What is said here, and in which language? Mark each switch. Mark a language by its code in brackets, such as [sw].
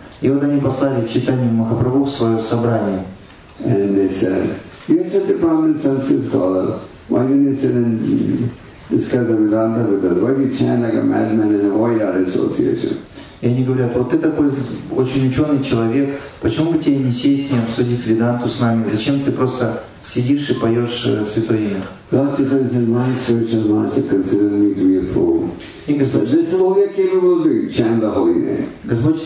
[ru] И вот они послали Чайтанью Махапрабху в свое собрание. [en] And they said, you're such a prominent Sanskrit scholar, why don't you sit and discuss the Веданта with us? Why do you chant like a madman and avoid our association? [ru] И они говорят, вот ты такой очень ученый человек, почему бы тебе не сесть, не обсудить Веданту с нами? Зачем ты просто сидишь и поешь святое имя? И Господь